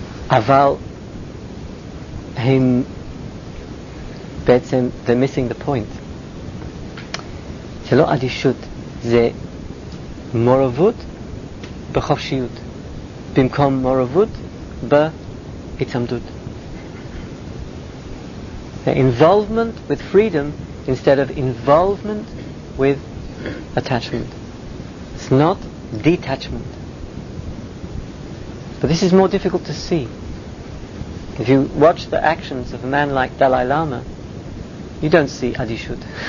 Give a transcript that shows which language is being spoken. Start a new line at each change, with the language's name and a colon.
Hebrew: אבל הם בעצם
English: they're missing the point.
Hebrew: זה לא אדישות, זה מורבות בחופשיות במקום מורבות בהצמדות.
English: The involvement with freedom instead of involvement with attachment. It's not detachment. But this is more difficult to see. If you watch the actions of a man like Dalai Lama, you don't see adishut.